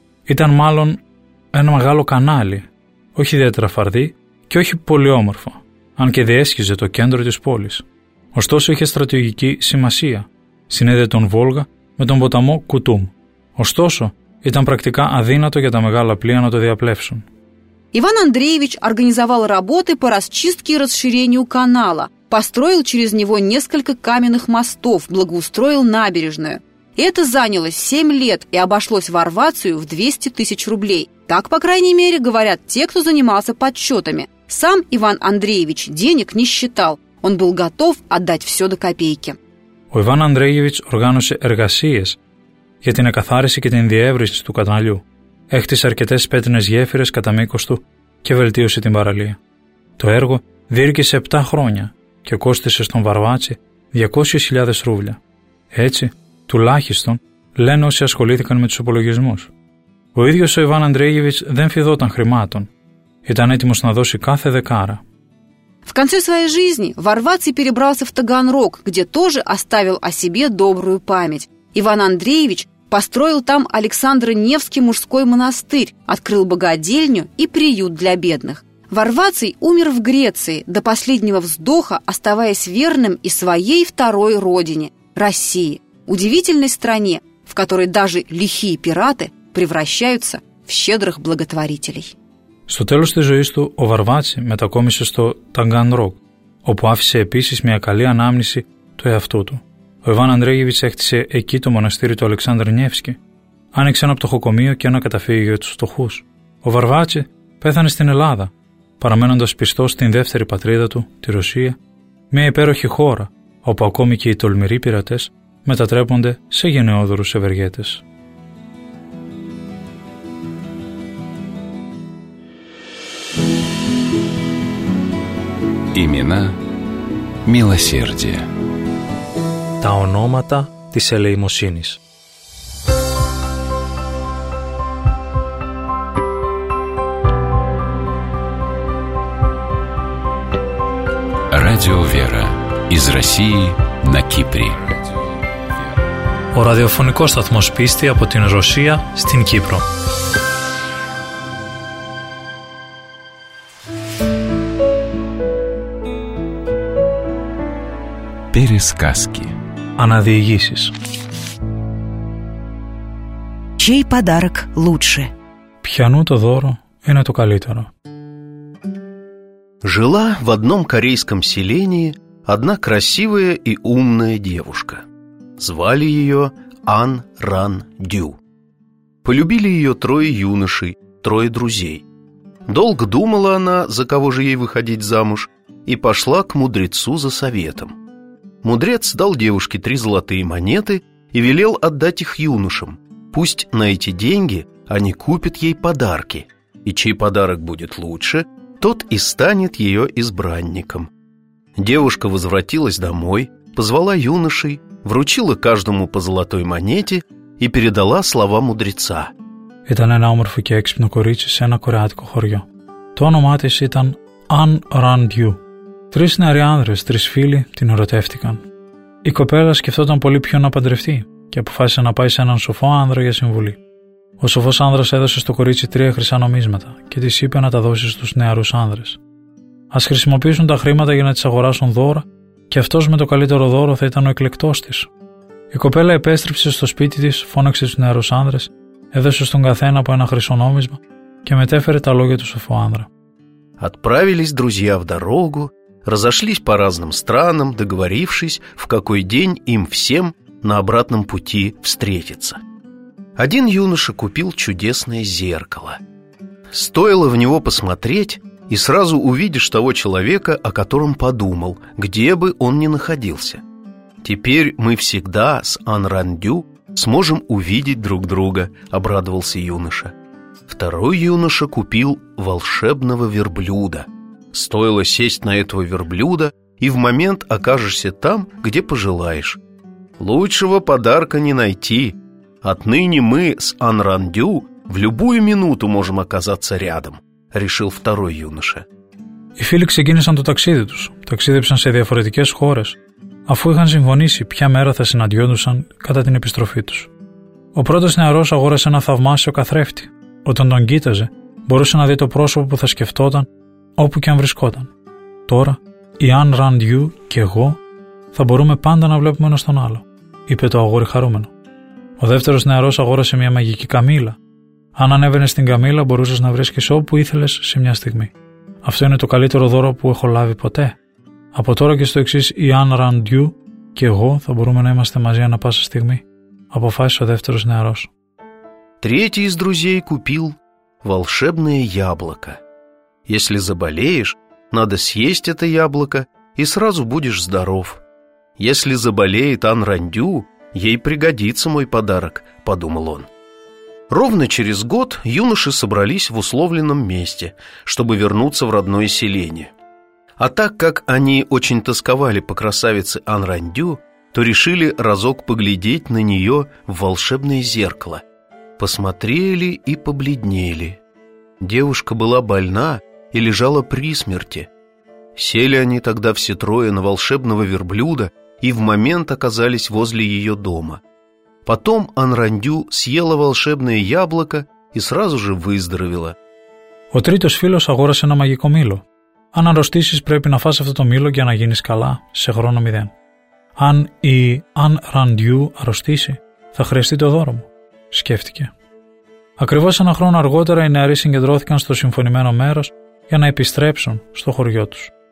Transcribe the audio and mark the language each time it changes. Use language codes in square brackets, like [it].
[el] Ήταν μάλλον ένα μεγάλο κανάλι, όχι ιδιαίτερα φαρδί και όχι πολύ όμορφο. Αν και διέσχιζε το κέντρο της πόλης. Ωστόσο είχε στρατηγική σημασία. Συνέδεε τον Βόλγα με τον ποταμό Κουτούμ. Ωστόσο ήταν πρακτικά αδύνατο για τα μεγάλα πλοία να το διαπλέψουν. [ru] Иван Андреевич организовал работы по расчистке и расширению канала, построил через него несколько каменных мостов, благоустроил набережную. Это заняло 7 лет и обошлось Варвацию в 200 тысяч рублей. Так, по крайней мере, говорят те, кто занимался подсчетами. Сам Иван Андреевич денег не считал. Он был готов отдать все до копейки. [el] Ο Ιβάν Αντρέγεβιτς οργάνωσε εργασίες για την εκαθάριση και την διεύρυνση του καναλιού. Έχτισε αρκετές πέτρινες γέφυρες κατά μήκος του και βελτίωσε την παραλία. Το έργο διήρκησε 7 χρόνια και κόστισε στον Βαρβάτσι 200.000 ρούβλια. Έτσι, τουλάχιστον, λένε όσοι ασχολήθηκαν με τους υπολογισμούς. Ο ίδιος ο Ιβάν Αντρέγεβιτς δεν φιδόταν χρημάτων. Ήταν έτοιμος να δώσει κάθε δεκάρα. [ru] В конце своей жизни Варвацый перебрался в Таганрог, где тоже оставил о себе добрую память. Иван Андреевич построил там Александро-Невский мужской монастырь, открыл богадельню и приют для бедных. Варвацый умер в Греции, до последнего вздоха оставаясь верным и своей второй родине – России. Удивительной стране, в которой даже лихие пираты превращаются в щедрых благотворителей. [el] Στο τέλος της ζωής του, ο Βαρβάτσι μετακόμισε στο Ταγκανρόγκ, όπου άφησε επίσης μια καλή ανάμνηση του εαυτού του. Ο Ιβάν Αντρέγεβιτς έκτισε εκεί το μοναστήρι του Αλεξάνδρ Νιεύσκι, άνοιξε ένα πτωχοκομείο και ένα καταφύγιο για τους φτωχούς. Ο Βαρβάτσι πέθανε στην Ελλάδα, παραμένοντας πιστός στην δεύτερη πατρίδα του, τη Ρωσία, μια υπέροχη χώρα, όπου ακόμη και οι τολμηροί πειρατές μετατρέπονται σε γενναιόδωρους ευεργέτες. [ru] Имена милосердия. [el] Τα ονόματα της ελεημοσύνης. [ru] Радио Вера из России на Кипре. [el] ο ραδιοφωνικός σταθμός πίστη από την Ρωσία στην Κύπρο. [ru] Пересказки. [el] Αναδιηγήσεις. [ru] Чей подарок лучше? [el] Ποιανού το δώρο είναι το καλύτερο? [ru] Жила в одном корейском селении одна красивая и умная девушка. Звали ее Ан Ран Дю. Полюбили ее трое юношей, трое друзей. Долго думала она, за кого же ей выходить замуж, и пошла к мудрецу за советом. Мудрец дал девушке 3 золотые монеты и велел отдать их юношам. Пусть на эти деньги они купят ей подарки, и чей подарок будет лучше, тот и станет ее избранником. Девушка возвратилась домой, позвала юношей, вручила каждому по золотой монете и передала слова мудреца. [el] Ήταν ένα όμορφο και έξυπνο κορίτσι σε ένα κορεάτικο χωριό. Το όνομά της ήταν Αν Ραν Διού. 3 νεαροί άνδρες, 3 φίλοι την ερωτεύτηκαν. Η κοπέλα σκεφτόταν πολύ ποιον να παντρευτεί και αποφάσισε να πάει σε έναν σοφό άνδρα για συμβουλή. Ο σοφός άνδρας έδωσε στο κορίτσι 3 χρυσά νομίσματα και της είπε να τα δώσει στους νεαρούς άνδρες. Ας χρησιμοποιήσουν τα χρήματα για να τις αγοράσουν δώρα και αυτός με το καλύτερο δώρο θα ήταν ο εκλεκτός της. Η κοπέλα επέστρεψε στο σπίτι της, φώναξε τους νεαρούς άνδρες, έδωσε στον καθένα από ένα χρυσό νόμισμα και μετέφερε τα λόγια του σοφού άνδρα. [ru] Отправились друзья в дорогу, разошлись по разным странам, договорившись, в какой день им всем на обратном пути встретиться. Один юноша купил чудесное зеркало. Стоило в него посмотреть, и сразу увидишь того человека, о котором подумал, где бы он ни находился. Теперь мы всегда с Ан Ран Дю сможем увидеть друг друга, обрадовался юноша. Второй юноша купил волшебного верблюда. Стоило сесть на этого верблюда, и в момент окажешься там, где пожелаешь. Лучшего подарка не найти. Отныне мы с Ан Ран Дю в любую минуту можем оказаться рядом, решил второй юноша. [el] Οι φίλοι ξεκίνησαν το ταξίδι τους. Ταξίδεψαν σε διαφορετικές χώρες, αφού είχαν συμφωνήσει ποια μέρα θα συναντιόντουσαν κατά την επιστροφή τους. Ο πρώτος νεαρός αγόρασε ένα θαυμάσιο καθρέφτη. Όταν τον κοίταζε, μπορούσε να δει το πρόσωπο που θα σκεφτόταν όπου και αν βρισκόταν. Τώρα, η Αν Ραν Διού και εγώ θα μπορούμε πάντα να βλέπουμε ένα τον άλλο, είπε το αγόρι χαρούμενο. Ο δεύτερος νεαρός αγόρασε μια μαγική καμήλα. Αν ανέβαινες στην καμήλα, μπορούσες να βρίσκεις όπου ήθελες σε μια στιγμή. Αυτό είναι το καλύτερο δώρο που έχω λάβει ποτέ. Από τώρα και στο εξής, η Αν Ραν Διού και εγώ θα μπορούμε να είμαστε μαζί ανά πάσα στιγμή, αποφάσισε ο δεύτερος νεαρός. [ru] Третий из друзей купил волшебное яблоко. Если заболеешь, надо съесть это яблоко, и сразу будешь здоров. Если заболеет Ан Ран Дю, ей пригодится мой подарок, подумал он. Ровно через год юноши собрались в условленном месте, чтобы вернуться в родное селение. А так как они очень тосковали по красавице Ан Ран Дю, то решили разок поглядеть на нее в волшебное зеркало. Посмотрели и побледнели. Девушка была больна и лежала при смерти. Сели они тогда все трое на волшебного верблюда и в момент оказались возле ее дома. Потом Ан Ран Дю съела волшебное яблоко и сразу же выздоровела. [el] Ο τρίτος φίλος αγόρασε ένα μαγικό μήλο. Αν αρρωστήσεις, πρέπει να φας αυτό το μήλο για να γίνεις καλά σε χρόνο μηδέν. Αν η Ан Ран Дю αρρωστήσει, θα χρειαστεί το δώρο μου, σκέφτηκε. Ακριβώς ένα χρόνο αργότερα οι νεαροί συγκεντρώθηκαν στο συμφωνημένο μέρος για να επιστρέψουν στο χωριό τους.